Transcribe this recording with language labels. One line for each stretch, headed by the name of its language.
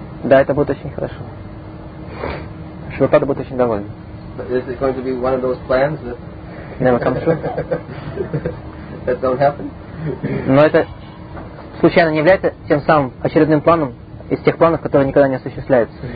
Russian: Да, это будет очень хорошо. Шрила Прабхупада будет очень доволен.
English: But is it going to be one of those plans that never come true? That don't happen?
Russian: Но это случайно не является тем самым очередным планом из тех планов, которые никогда не осуществляются.